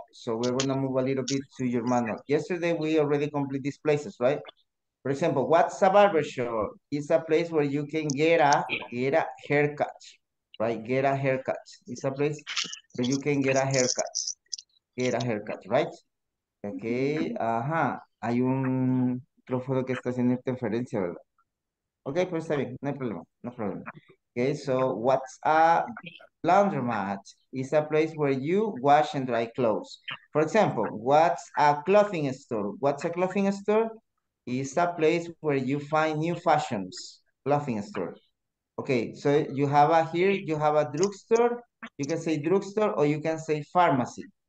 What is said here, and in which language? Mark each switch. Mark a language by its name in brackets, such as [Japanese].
[English] So we're gonna move a little bit to your manual. Yesterday, we already completed these places, right? For example, what's a barbershop? It's a place where you can get a haircut, right? Get a haircut. It's a place where you can get a haircut. Get a haircut, right? [Spanish] Okay, Hay un trofeo que está haciendo interferencia, ¿verdad? Okay, pues está bien, no hay problema, no problema. [English] Okay, so what's a laundromat? It's a place where you wash and dry clothes. For example, what's a clothing store? What's a clothing store? It's a place where you find new fashions, clothing store. Okay, so you have a here, you have a drugstore. You can say drugstore or you can say pharmacy.